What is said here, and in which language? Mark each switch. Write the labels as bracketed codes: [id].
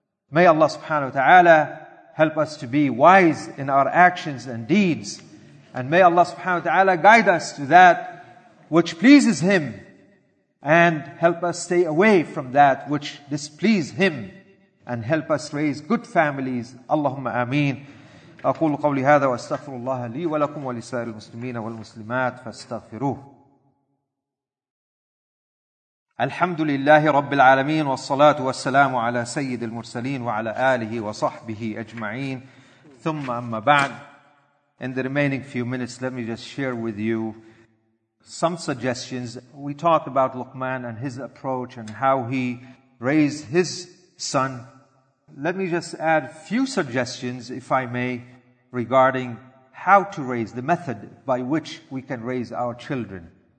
[en] May Allah subhanahu wa ta'ala help us to be wise in our actions and deeds. And may Allah subhanahu wa ta'ala guide us to that which pleases Him and help us stay away from that which displeases Him and help us raise good families. [ar] Allahumma ameen. أقول قولي هذا وأستغفر الله لي ولكم ولسائر المسلمين والمسلمات فاستغفروه. الحمد لله رب العالمين والصلاة والسلام على سيد المرسلين وعلى آله وصحبه أجمعين. ثم أما بعد, [en] in the remaining few minutes, let me just share with you some suggestions. We talked about Luqman and his approach and how he raised his son. Let me just add a few suggestions, if I may, regarding how to raise, the method by which we can raise our children.